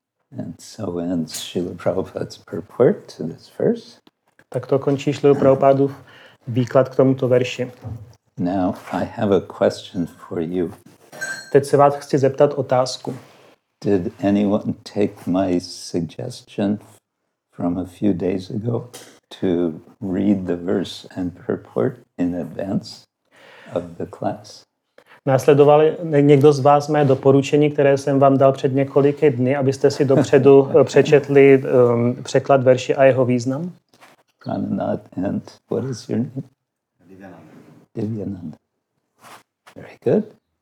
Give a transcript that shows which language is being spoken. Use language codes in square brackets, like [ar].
[en] And so ends Srila Prabhupada's purport to this verse. [cs] Tak to končí Srila Prabhupádův výklad k tomuto verši. [en] Now I have a question for you. [cs] Teď se vás chci zeptat otázku. [en] Did anyone take my suggestion from a few days ago to read the verse and purport in advance of the class? [cs] Následoval někdo z vás mé doporučení, které jsem vám dal před několika dny, abyste si dopředu přečetli překlad verše a jeho význam? [en] Pranad, and what is your name? Divyananda. Very good.